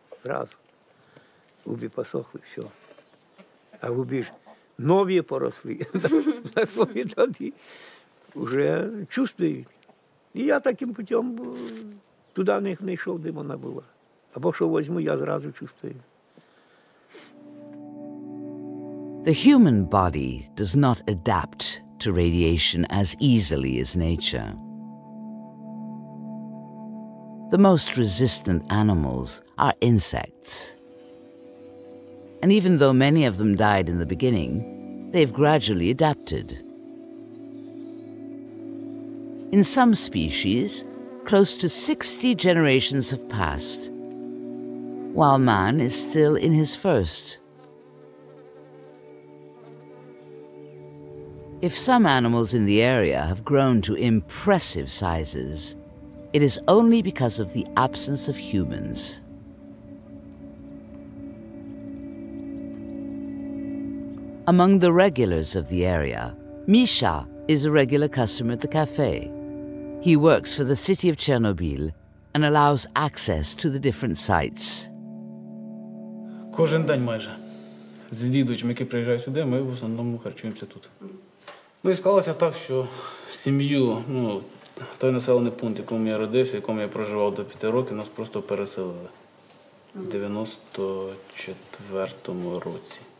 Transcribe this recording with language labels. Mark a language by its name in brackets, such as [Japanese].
[Ukrainian] Зразу. Губи посохли, все. А губи ж нові поросли. [Russian] Uh-huh. Уже чувствую. [Ukrainian] І я таким путем туди не знайшов, де вона була. Або що візьму, я зразу чувствую. [English] The human body does not adapt to radiation as easily as nature. The most resistant animals are insects. And even though many of them died in the beginning, they've gradually adapted. In some species, close to 60 generations have passed, while man is still in his first. If some animals in the area have grown to impressive sizes, it is only because of the absence of humans. Among the regulars of the area, Misha is a regular customer at the cafe. He works for the city of Chernobyl and allows access to the different sites. [Ukrainian] Кожен день майже. З дідусями, які приїжджають сюди, ми в основному харчуємося тут. Ну і склалося так, що сім'ю, ну, той населений пункт, в якому я родився, в якому я проживав до 5 років, нас просто переселили. В 94-му році.